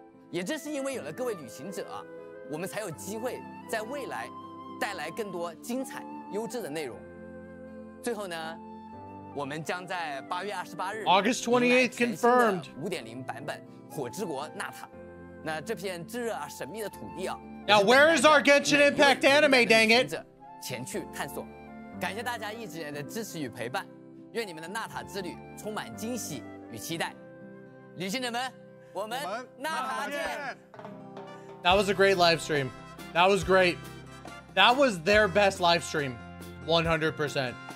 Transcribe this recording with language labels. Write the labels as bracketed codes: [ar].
[zh] 也正是因为有了各位旅行者啊，我们才有机会在未来带来更多精彩优质的内容。最后呢，我们将在8月28日 [en] August 28th confirmed [zh] 5.0 版本火之国纳塔。那这片炙热而神秘的土地啊， [en] Now where is our Genshin Impact anime, dang it? [zh] 前去探索。感谢大家一直以来的支持与陪伴，愿你们的纳塔之旅充满惊喜与期待。旅行者们，我们纳塔见。 [en] That was a great live stream. That was great. That was their best live stream. 100%.